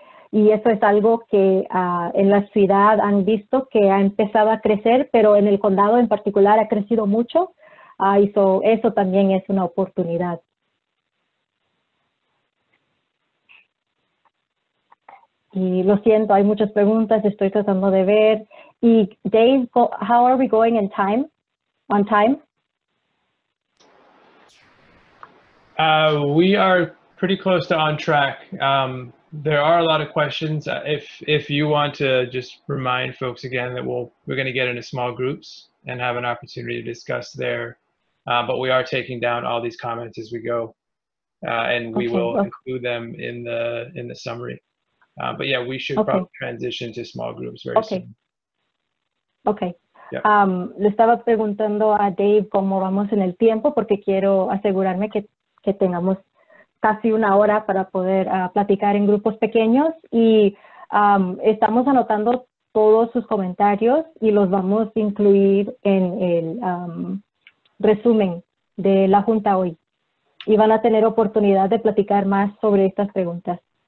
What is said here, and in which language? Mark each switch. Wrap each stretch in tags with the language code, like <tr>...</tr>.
<es>Y eso es algo que en la ciudad han visto que ha empezado a crecer, pero en el condado en particular ha crecido mucho. Eso también es una oportunidad. Y lo siento, hay muchas preguntas, estoy tratando de ver.</es> <en>Y Dave, how are we going in time? On time? We are pretty close to on track. There are a lot of questions. If you want to just remind folks again that we're going to get into small groups and have an opportunity to discuss there, but we are taking down all these comments as we go, and we will include them in the summary. But yeah, we should probably transition to small groups very soon. Okay. Yeah.</en> <es>Le estaba preguntando a Dave cómo vamos en el tiempo porque quiero asegurarme que tengamos casi una hora para poder platicar en grupos pequeños y estamos anotando todos sus comentarios y los vamos a incluir en el resumen de la junta hoy y van a tener oportunidad de platicar más sobre estas preguntas.</es>